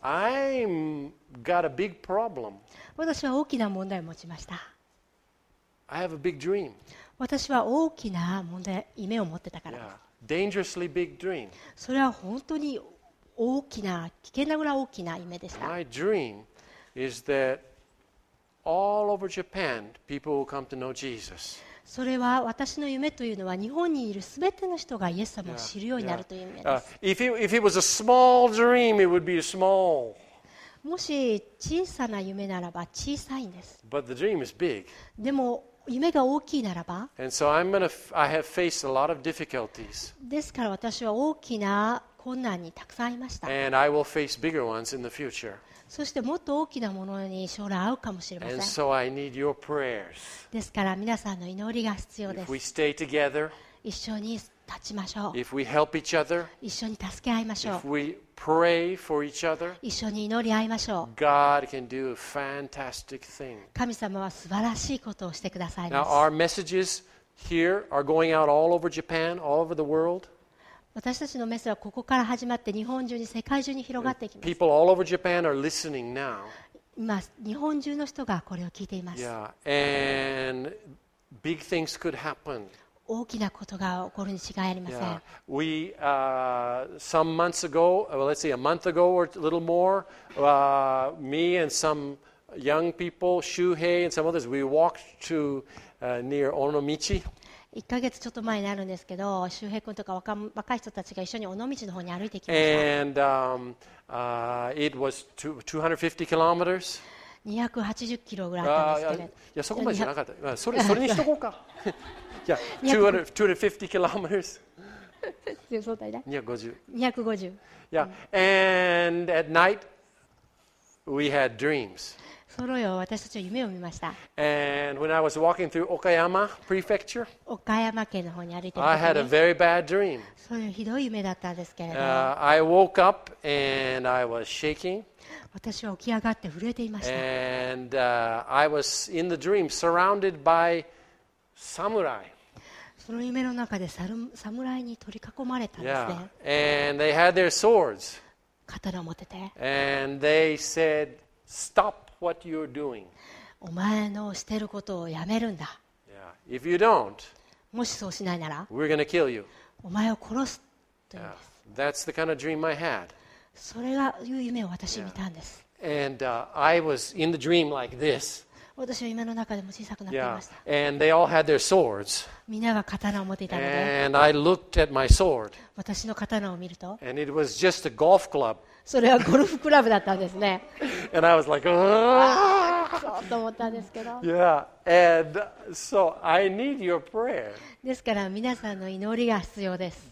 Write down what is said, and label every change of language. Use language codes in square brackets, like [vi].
[en] I've got a big problem. [ja] 私は大きな問題を持ちました [en] I have a big dream. [ja] 私は大きな問題夢を持ってたから。 [en] Yeah. Dangerously big dream. [ja] それは本当に大きな危険なぐらい大きな夢でした。 [en] My dream is that all over Japan, people will come to know Jesus. [ja] それは私の夢というのは日本にいるすべての人がイエス様を知るようになるという夢です。 [en] Yeah. If it was a small dream, it would be small. [ja] もし小さな夢ならば小さいんです。 [en] But the dream is big. [ja] でも夢が大きいならば、 [en] And so I'm gonna I have faced a lot of difficulties. [ja] ですから私は大きな困難にたくさんいました。 [en] And I will face bigger ones in the future. [ja] そしてもっと大きなものに将来会うかもしれません。 [en] And so I need your prayers. [ja] ですから皆さんの祈りが必要です。 [en] If we stay together, [ja] 一緒に立ちましょう。 [en] If we help each other, [ja] 一緒に助け合いましょう。 [en] If we pray for each other, [ja] 一緒に祈り合いましょう。 [en] God can do a fantastic thing. [ja] 神様は素晴らしいことをしてくださいます。 [en] Now our messages here are going out all over Japan, all over the world. [ja] 私たちのメッセージはここから始まって日本中に世界中に広がっていきます。 [en] People all over Japan are listening now. [ja] 今日本中の人がこれを聞いています。 [en] Yeah, and big things could happen. [ja] 大きなことが起こるに違いありません。 [en] Yeah. We, some months ago, well, let's see, a month ago or a little more, me and some young people, Shuhei and some others, we walked to near Onomichi. [ja] 一ヶ月ちょっと前になるんですけど、Shuhei君とか若い人たちが一緒に尾道の方に歩いてきました。 [en] And it was 250 kilometers. [ja] 280キロぐらいあったんですけど、いやそこまでじゃなかった。それにしとこうか。いや、250 kilometers。そうだね。 [en] 250。 Yeah. And at night, we had dreams. [ja] そのよ、私たちは夢を見ました。 [en] And when I was walking through Okayama Prefecture, [ja] 岡山県の方に歩いてる時 [en] に、I had a very bad dream. [ja] そういうひどい夢だったんですけれども、 [en] I woke up and I was shaking. [ja] 私は起き上がって震えていました。 [en] And, I was in the dream surrounded by samurai. [ja] その夢の中で侍に取り囲まれたんですね。 [en] Yeah. And they had their swords. [ja] 刀を持ってて。 [en] And they said, "Stop what you're doing." [ja] お前のしてることをやめるんだ。 [en] Yeah. If you don't, [ja] もしそうしないなら、 [en] we're gonna kill you. [ja] お前を殺すと言うんです。 [en] Yeah. That's the kind of dream I had. [ja] それがいう夢を私見たんです。 [en] Yeah. And, I was in the dream like this. [ja] 私は夢の中でも小さくなっていました。 [en] Yeah. And they all had their swords. [ja] みんなが刀を持っていたので。 [en] And I looked at my sword. [ja] 私の刀を見ると。 [en] And it was just a golf club. [ja] それはゴルフクラブだったんですね。 [en] And I was like, [ja] そうと思ったんですけど。 [en] Yeah. And, so I need your prayer. [ja] ですから皆さんの祈りが必要です。